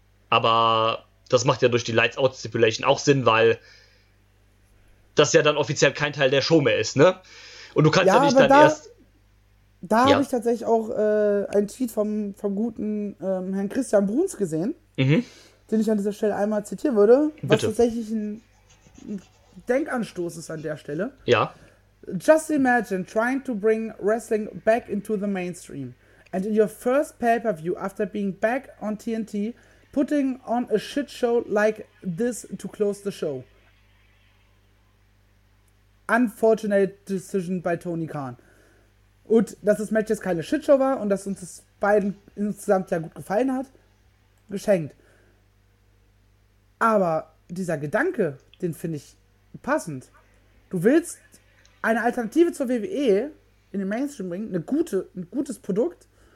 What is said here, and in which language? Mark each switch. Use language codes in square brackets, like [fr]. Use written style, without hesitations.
[de] Aber das macht ja durch die Lights Out Stipulation auch Sinn, weil das ja dann offiziell kein Teil der Show mehr ist, ne? Und du kannst ja, ja nicht dann da, erst. Da ja. habe ich tatsächlich auch einen Tweet vom guten Herrn Christian Bruns gesehen, den ich an dieser Stelle einmal zitieren würde, was tatsächlich ein Denkanstoß ist an der Stelle. Ja. [en] Just imagine trying to bring wrestling back into the mainstream. And in your first pay-per-view after being back on TNT, putting on a shit show like this to close the show. Unfortunate decision by Tony Khan. [de] Und dass das Match jetzt keine Shitshow war und dass uns das beiden insgesamt ja gut gefallen hat, geschenkt. Aber dieser Gedanke, den finde ich passend. Du willst eine Alternative zur WWE in den Mainstream bringen, ein gutes Produkt.